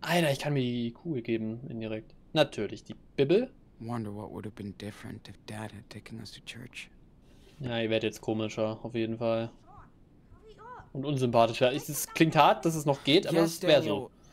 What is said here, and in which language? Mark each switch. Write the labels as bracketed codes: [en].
[de] Alter, ich kann mir die Kugel geben, indirekt. Natürlich, die Bibel. [en] Wonder what would have been different if Dad had taken us to church. [de] Ja, ihr werdet jetzt komischer, auf jeden Fall. Und unsympathischer. Es klingt hart, dass es noch geht, aber es wäre so.